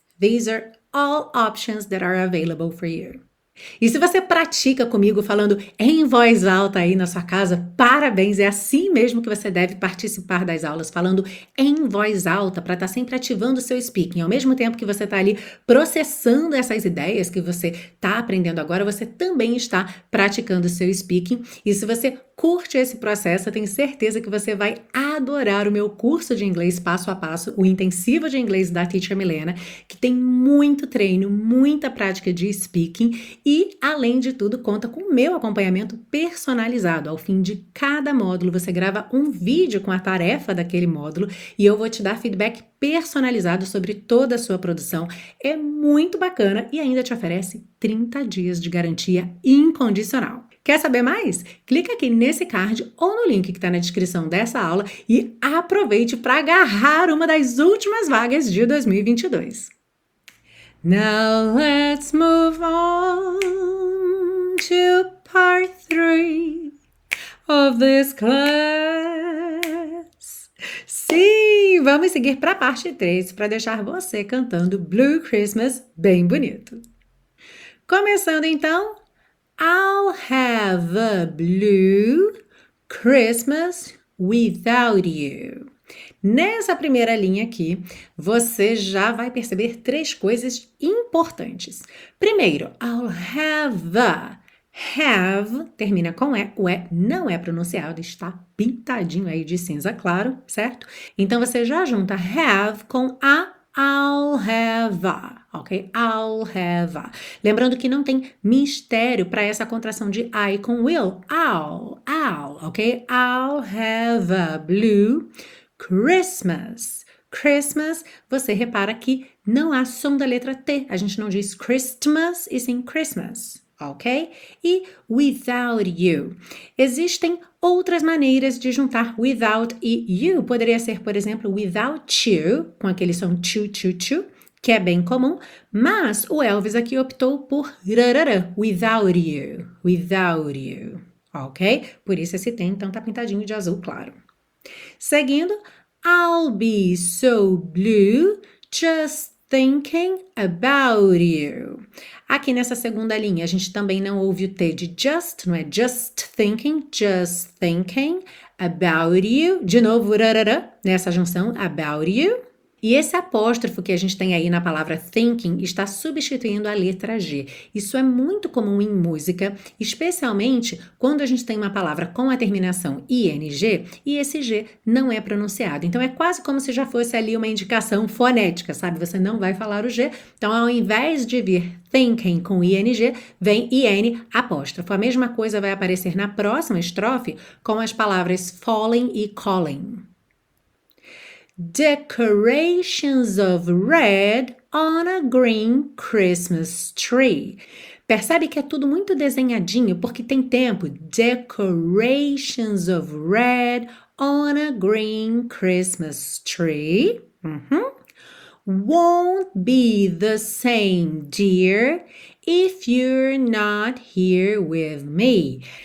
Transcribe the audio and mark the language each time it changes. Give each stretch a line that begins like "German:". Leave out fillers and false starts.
English: These are all options that are available for you.
Portuguese: E se você pratica comigo falando em voz alta aí na sua casa, parabéns! É assim mesmo que você deve participar das aulas, falando em voz alta, para estar sempre ativando o seu speaking. Ao mesmo tempo que você está ali processando essas ideias que você está aprendendo agora, você também está praticando o seu speaking. E se você curte esse processo, eu tenho certeza que você vai adorar o meu curso de inglês passo a passo, o intensivo de inglês da Teacher Milena, que tem muito treino, muita prática de speaking e, além de tudo, conta com o meu acompanhamento personalizado. Ao fim de cada módulo, você grava um vídeo com a tarefa daquele módulo e eu vou te dar feedback personalizado sobre toda a sua produção. É muito bacana e ainda te oferece 30 dias de garantia incondicional. Quer saber mais? Clica aqui nesse card ou no link que está na descrição dessa aula e aproveite para agarrar uma das últimas vagas de 2022.
English: Now let's move on to part 3 of this class.
Portuguese: Sim, vamos seguir para a parte 3 para deixar você cantando
English: Blue Christmas
Portuguese: bem bonito. Começando então,
English: I'll have a blue Christmas without you.
Portuguese: Nessa primeira linha aqui, você já vai perceber três coisas importantes. Primeiro,
English: I'll have a.
Portuguese: Have termina com E. O E não é pronunciado, está pintadinho aí de cinza claro, certo? Então, você já junta have com a.
English: I'll have a,
Portuguese: ok?
English: I'll have a.
Portuguese: Lembrando que não tem mistério para essa contração de I com will.
English: I'll, ok? I'll have a blue Christmas.
Portuguese: Christmas, você repara que não há som da letra T. A gente não diz Christmas e sim Christmas, ok? E without you. Existem outras maneiras de juntar without e you. Poderia ser, por exemplo, without you, com aquele som tchu, tchu, tchu, que é bem comum, mas o Elvis aqui optou por rarara,
English: without you, without you,
Portuguese: ok? Por isso esse tem, então tá pintadinho de azul claro. Seguindo,
English: I'll be so blue just thinking about you.
Portuguese: Aqui nessa segunda linha, a gente também não ouve o T de just, não é
English: just thinking about you.
Portuguese: De novo, rarara, nessa junção,
English: about you.
Portuguese: E esse apóstrofo que a gente tem aí na palavra thinking está substituindo a letra G. Isso é muito comum em música, especialmente quando a gente tem uma palavra com a terminação ing e esse G não é pronunciado. Então, é quase como se já fosse ali uma indicação fonética, sabe? Você não vai falar o G. Então, ao invés de vir thinking com ing, vem in apóstrofo. A mesma coisa vai aparecer na próxima estrofe com as palavras falling e calling.
English: Decorations of red on a green Christmas tree.
Portuguese: Percebe que é tudo muito desenhadinho porque tem tempo.
English: Decorations of red on a green Christmas tree. Uhum. Won't be the same, dear, if you're not here with me.